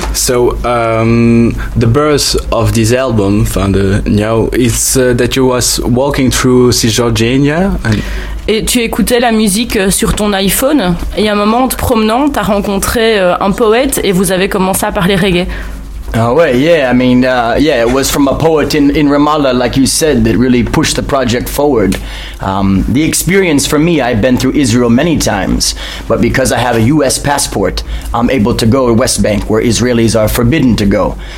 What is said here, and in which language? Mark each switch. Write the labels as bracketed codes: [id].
[en] So the birth of this album, it's that you was walking through Cisjordania. [fr] Et tu écoutais la musique sur ton iPhone. Et à un moment, en te promenant, t'as rencontré un poète et vous avez commencé à parler reggae. [en] It was from a poet in Ramallah, like you said, that really pushed the project forward. The experience for me, I've been through Israel many times, but because I have a U.S. passport, I'm able to go to West Bank, where Israelis are forbidden to go.